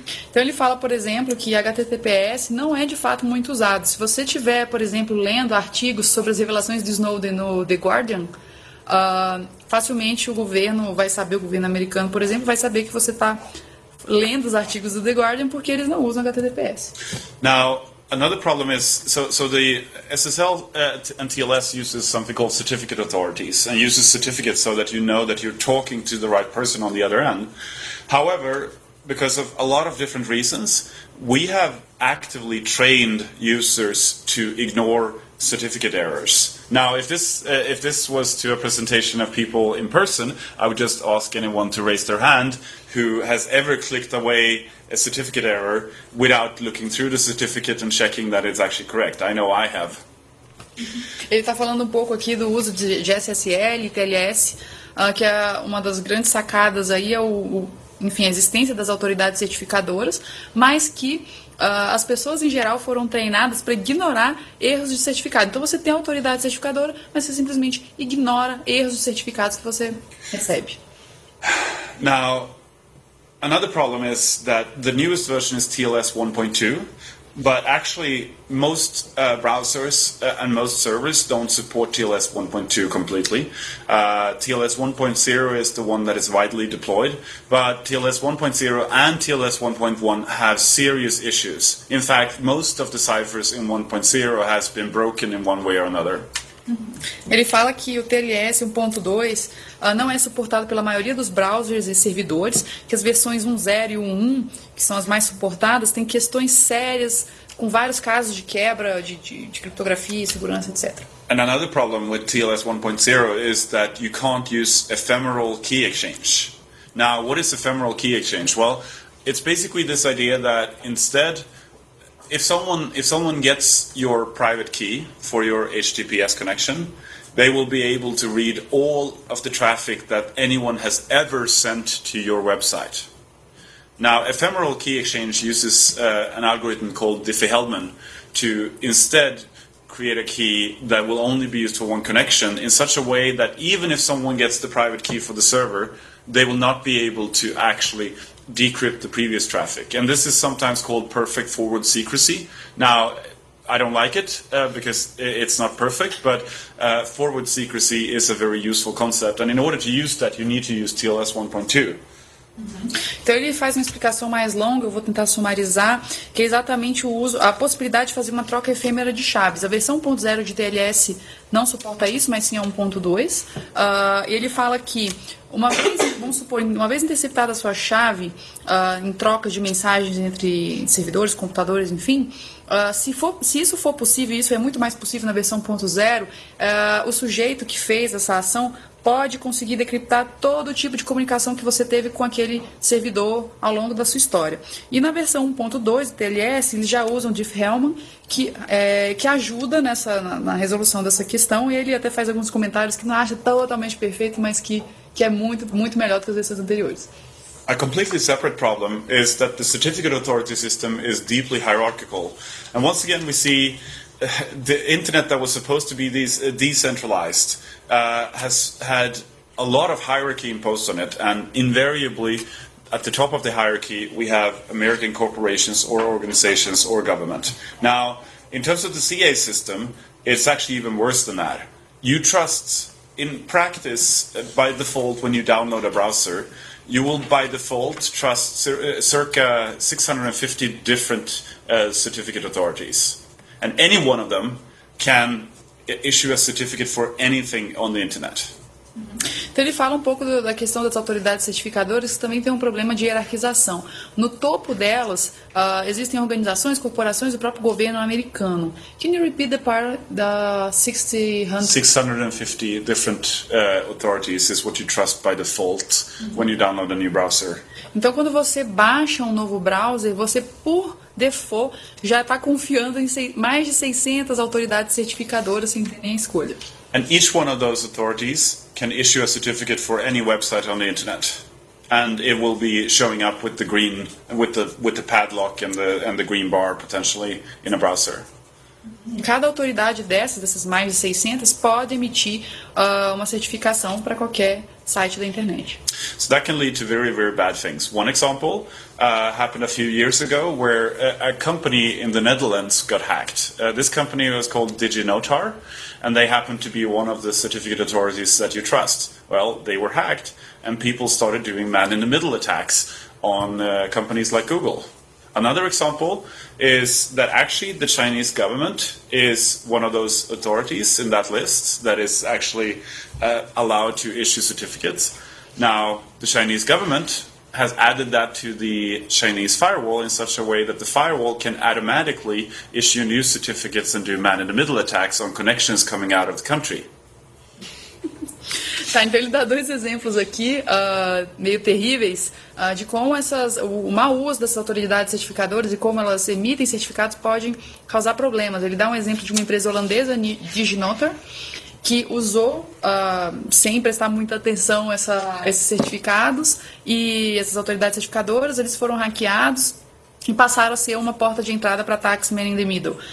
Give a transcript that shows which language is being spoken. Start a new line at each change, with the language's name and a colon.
Portuguese: Então ele fala, por exemplo, que HTTPS não é de fato muito usado. Se você estiver, por exemplo, lendo artigos sobre as revelações de Snowden no The Guardian, facilmente o governo vai saber, o governo americano, por exemplo, vai saber que você está lendo os artigos do The Guardian porque eles não usam HTTPS.
English: Now, another problem is, so the SSL and TLS uses something called certificate authorities and uses certificates so that you know that you're talking to the right person on the other end. However, because of a lot of different reasons, we have actively trained users to ignore certificate errors. Now, if this was to a presentation of people in person, I would just ask anyone to raise their hand who has ever clicked away a certificate error without looking through the certificate and checking that it's actually correct. I know I have.
Portuguese: Ele está falando um pouco aqui do uso de SSL e TLS. que é uma das grandes sacadas aí, é enfim, a existência das autoridades certificadoras, mas que as pessoas em geral foram treinadas para ignorar erros de certificado. Então você tem a autoridade certificadora, mas você simplesmente ignora erros de certificados que você recebe.
English: Now, another problem is that the newest version is TLS 1.2, but actually most browsers and most servers don't support TLS 1.2 completely. TLS 1.0 is the one that is widely deployed, but TLS 1.0 and TLS 1.1 have serious issues. In fact, most of the ciphers in 1.0 has been broken in one way or another.
Portuguese: Ele fala que o TLS 1.2 não é suportado pela maioria dos browsers e servidores, que as versões 1.0 e 1.1, que são as mais suportadas, têm questões sérias com vários casos de quebra de criptografia, segurança, etc.
English: And another problem with TLS 1.0 is that you can't use ephemeral key exchange. Now, what is ephemeral key exchange? Well, it's basically this idea that instead, if someone gets your private key for your HTTPS connection, they will be able to read all of the traffic that anyone has ever sent to your website. Now, ephemeral key exchange uses an algorithm called Diffie-Hellman to instead create a key that will only be used for one connection in such a way that even if someone gets the private key for the server, they will not be able to actually decrypt the previous traffic. And this is sometimes called perfect forward secrecy. Now, I don't like it because it's not perfect, but forward secrecy is a very useful concept. And in order to use that, you need to use TLS 1.2.
Portuguese: Então ele faz uma explicação mais longa, eu vou tentar sumarizar, que é exatamente o uso, a possibilidade de fazer uma troca efêmera de chaves. A versão 1.0 de TLS não suporta isso, mas sim a 1.2. Ele fala que, uma vez interceptada a sua chave, em troca de mensagens entre servidores, computadores, enfim, se isso for possível, isso é muito mais possível na versão 1.0, o sujeito que fez essa ação pode conseguir decriptar todo tipo de comunicação que você teve com aquele servidor ao longo da sua história. E na versão 1.2 do TLS, eles já usam o Diffie-Hellman, que ajuda na resolução dessa questão, e ele até faz alguns comentários que não acha totalmente perfeito, mas que é muito, muito melhor do que as versões anteriores.
English: A completely separate problem is that the certificate authority system is deeply hierarchical. And once again we see the internet that was supposed to be decentralized has had a lot of hierarchy imposed on it, and invariably at the top of the hierarchy we have American corporations or organizations or government. Now, in terms of the CA system, it's actually even worse than that. You trust, in practice, by default, when you download a browser, you will by default trust circa 650 different certificate authorities. And any one of them can issue a certificate for anything on the internet.
Portuguese: Então ele fala um pouco da questão das autoridades certificadoras, que também tem um problema de hierarquização. No topo delas, existem organizações, corporações e o próprio governo americano.
English: Can you repeat the part da 650 different authorities is what you trust by default when you download a new browser.
Portuguese: Então quando você baixa um novo browser, você por default já está confiando em mais de 600 autoridades certificadoras sem ter nem escolha.
English: And each one of those authorities can issue a certificate for any website on the internet, and it will be showing up with the green, with the padlock and the green bar potentially in a browser.
Portuguese: Cada autoridade dessas mais de 600 pode emitir uma certificação para qualquer site da internet.
English: So that can lead to very, very bad things. One example happened a few years ago where a company in the Netherlands got hacked. This company was called DigiNotar, and they happened to be one of the certificate authorities that you trust. Well, they were hacked, and people started doing man-in-the-middle attacks on companies like Google. Another example is that actually the Chinese government is one of those authorities in that list that is actually allowed to issue certificates. Now, the Chinese government has added that to the Chinese firewall in such a way that the firewall can automatically issue new certificates and do man-in-the-middle attacks on connections coming out of the country.
Portuguese: Tá, então ele dá dois exemplos aqui, meio terríveis, de como o mau uso dessas autoridades certificadoras e como elas emitem certificados podem causar problemas. Ele dá um exemplo de uma empresa holandesa, DigiNotar, que usou sem prestar muita atenção esses certificados, e essas autoridades certificadoras, eles foram hackeados e passaram a ser uma porta de entrada para Taxman in the Middle.